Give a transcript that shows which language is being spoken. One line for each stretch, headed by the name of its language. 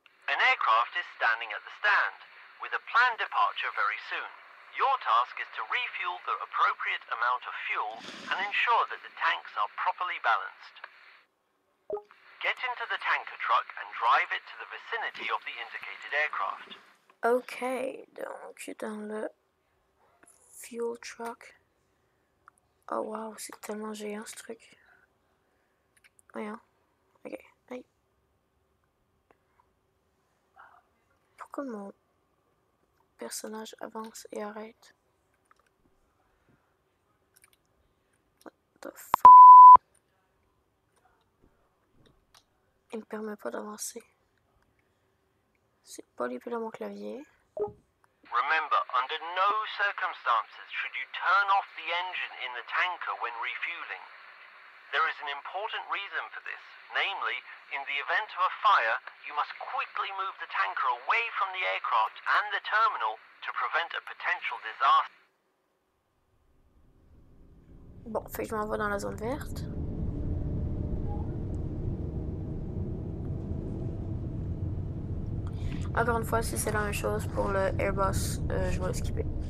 English: An aircraft is standing at the stand, with a planned departure very soon. Your task is to refuel the appropriate amount of fuel and ensure that the tanks are properly balanced. Get into the tanker truck and drive it to the vicinity of the indicated aircraft.
French: Okay, donc dans le fuel truck. Oh wow, c'est tellement géant ce truc. Voyons. Ok, aïe. Pourquoi mon personnage avance et arrête?
English: What the fuck?
French: Il me permet pas d'avancer. C'est pas lié plus dans mon clavier.
English: Remember, under no circumstances should you turn off the engine in the tanker when refueling. There is an important reason for this, namely, in the event of a fire, you must quickly move the tanker away from the aircraft and the terminal to prevent a potential disaster.
French: Bon, fait que je m'envoie dans la zone verte. Encore une fois, si c'est la même chose pour le Airbus, je vais le skipper.